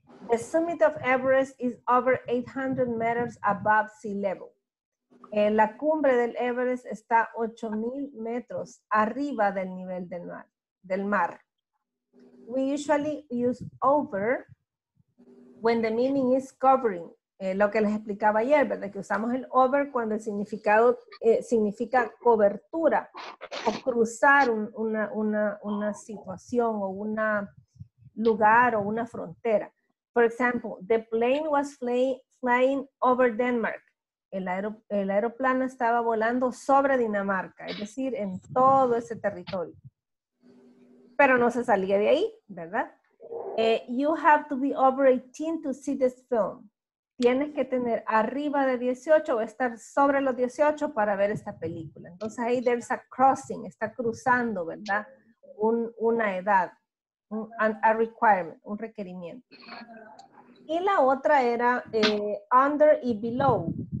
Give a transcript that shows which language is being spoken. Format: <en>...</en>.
<en>The summit of Everest is over 800 meters above sea level.</en> <es>La cumbre del Everest está 8,000 metros arriba del nivel del mar.</es> <en>We usually use over when the meaning is covering.</en> <es>Lo que les explicaba ayer, ¿verdad? Que usamos el over cuando el significado significa cobertura o cruzar una situación o un lugar o una frontera.</es> <en>For example, the plane was flying over Denmark.</en> <es>El aeroplano estaba volando sobre Dinamarca, es decir, en todo ese territorio. Pero no se salía de ahí, ¿verdad?</es> <en>You have to be over 18 to see this film.</en> <es>Tienes que tener arriba de 18 o estar sobre los 18 para ver esta película. Entonces ahí</es> <en>there's a crossing,</en> <es>está cruzando, ¿verdad? Una edad,</es> <en>a requirement,</en> <es>un requerimiento. Y la otra era under y below.</es>